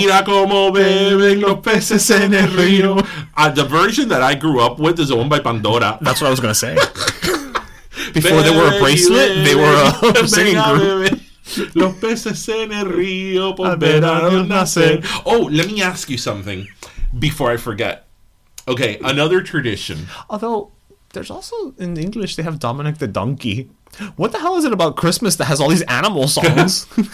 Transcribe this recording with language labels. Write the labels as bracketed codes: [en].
[es] Mira como beben los peces en el río. [en] The version that I grew up with is the one by Pandora. That's what I was going to say. Before they were a bracelet, they were a singing group. [es] Los peces en el río por verano nacer. [en] Oh, let me ask you something before I forget. Okay, another tradition. Although, there's also, in English, they have Dominic the Donkey. What the hell is it about Christmas that has all these animal songs?